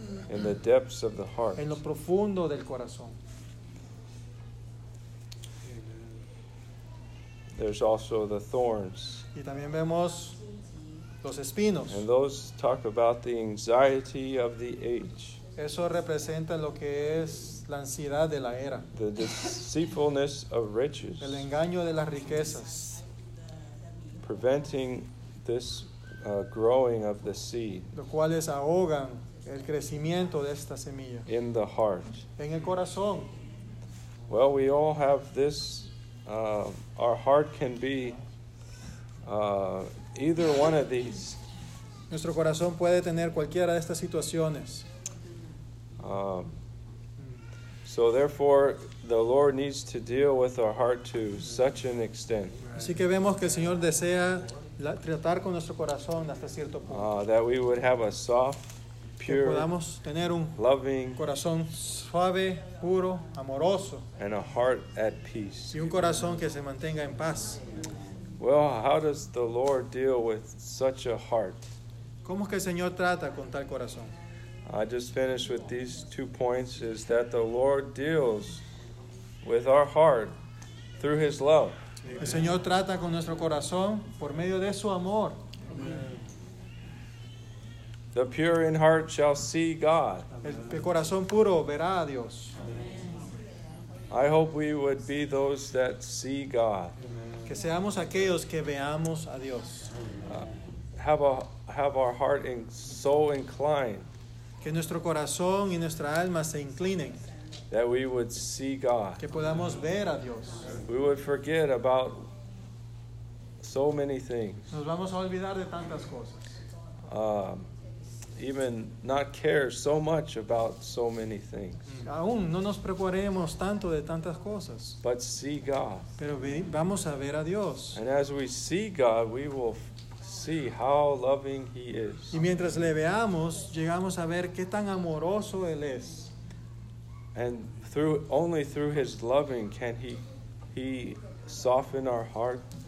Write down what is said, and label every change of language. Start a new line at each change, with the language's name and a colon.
English: in the depths of the heart,
Spanish: en lo profundo del corazón.
English: There's also the thorns,
Spanish: y también vemos los espinos,
English: and those talk about the anxiety of the age.
Spanish: Eso representa lo que es la ansiedad de la era,
English: the deceitfulness of riches,
Spanish: el engaño de las riquezas,
English: preventing this growing of the seed.
Spanish: Los cuales ahogan el crecimiento de esta semilla.
English: In the heart.
Spanish: En el corazón.
English: Well, we all have this. Our heart can be either one of these.
Spanish: Nuestro corazón puede tener cualquiera de estas situaciones.
English: So therefore, the Lord needs to deal with our heart to such an extent.
Spanish: Así que vemos que el Señor desea tratar con nuestro corazón hasta cierto punto.
English: That we would have a soft, pure,
Spanish: podamos tener un
English: loving,
Spanish: corazón suave, puro, amoroso,
English: and a heart at peace.
Spanish: Y un corazón que se mantenga en paz.
English: Well, how does the Lord deal with such a heart?
Spanish: ¿Cómo es que el Señor trata con tal corazón?
English: I just finished with these two points, is that the Lord deals with our heart through His love.
Spanish: El Señor trata con nuestro corazón por medio de su amor.
English: Amen. The pure in heart shall see God.
Spanish: El corazón puro verá a Dios.
English: I hope we would be those that see God.
Spanish: Amen. Que seamos aquellos que veamos a Dios.
English: Have our heart in, so inclined.
Spanish: Que nuestro corazón y nuestra alma se inclinen.
English: That we would see God.
Spanish: Que podamos ver a Dios.
English: We would forget about so many things.
Spanish: Nos vamos a olvidar de tantas cosas.
English: Even not care so much about so many things.
Spanish: Aún no nos preocuparemos tanto de tantas cosas.
English: But see God.
Spanish: Pero vamos a ver a Dios.
English: And as we see God, we will see how loving He is.
Spanish: Y mientras le veamos, llegamos a ver qué tan amoroso Él es.
English: And through only through His loving can He soften our heart.